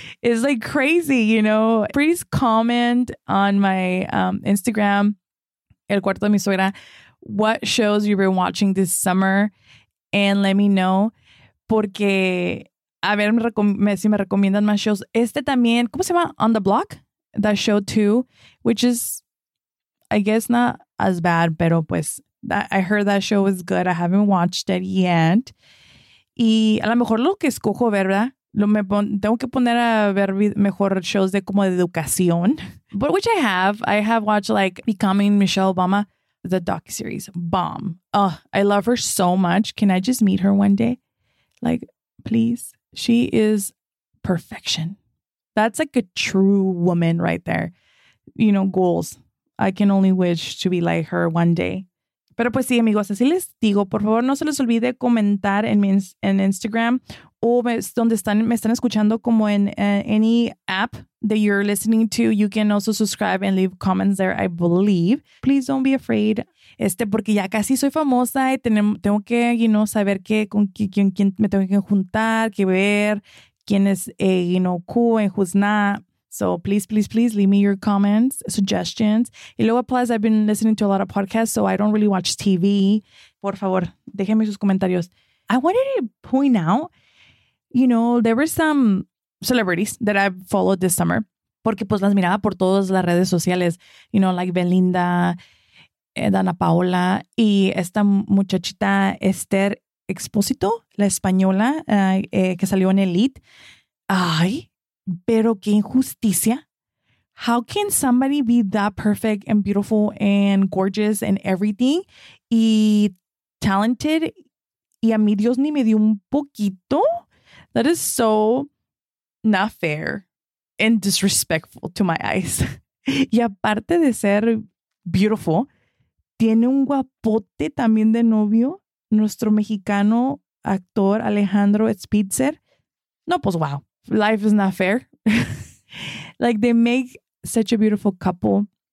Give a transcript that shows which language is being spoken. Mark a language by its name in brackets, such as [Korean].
[English] It's like crazy, you know. Please comment on my Instagram, El Cuarto de Mi Suegra, what shows you've been watching this summer, and let me know, [Spanish] porque a ver si me recomiendan más shows. Este también, ¿cómo se llama? [English] On the Block, that show too, which is, I guess, not as bad, [Spanish] pero pues, [English] I heard that show is good. I haven't watched it yet. [Spanish] Y a lo mejor lo que escojo, ¿verdad? Tengo que poner a ver mejor shows de como de educación. [English] But which I have. I have watched, like, Becoming Michelle Obama, the docuseries. Bomb. Oh, I love her so much. Can I just meet her one day? Like, please. She is perfection. That's like a true woman right there. You know, goals. I can only wish to be like her one day. [Spanish] Pero pues sí, amigos, así les digo. Por favor, no se les olvide comentar en Instagram o donde están, me están escuchando como en [English] any app that you're listening to. You can also subscribe and leave comments there, I believe. Please don't be afraid. [Spanish] Porque ya casi soy famosa y tengo que, [English] you know, [Spanish] saber qué, con quién me tengo que juntar, qué ver, quién es, [English] you know, cool and who's not. So please, please, please leave me your comments, suggestions. [Spanish] Y luego, [English] plus, I've been listening to a lot of podcasts, so I don't really watch TV. [Spanish] Por favor, déjenme sus comentarios. [English] I wanted to point out, you know, there were some celebrities that I've followed this summer. [Spanish] Porque pues las miraba por todas las redes sociales. [English] You know, like [Spanish] Belinda, Dana Paola, y esta muchachita Esther Expósito, la española, que salió en Elite. Ay, pero qué injusticia. [English] How can somebody be that perfect and beautiful and gorgeous and everything y talented? [Spanish] Y a mí Dios ni me dio un poquito. [English] That is so not fair and disrespectful to my eyes. [Spanish] Y aparte de ser beautiful, tiene un guapote también de novio. Nuestro mexicano actor Alejandro Spitzer. No, pues wow. [English] Life is not fair. Like, they make such a beautiful couple.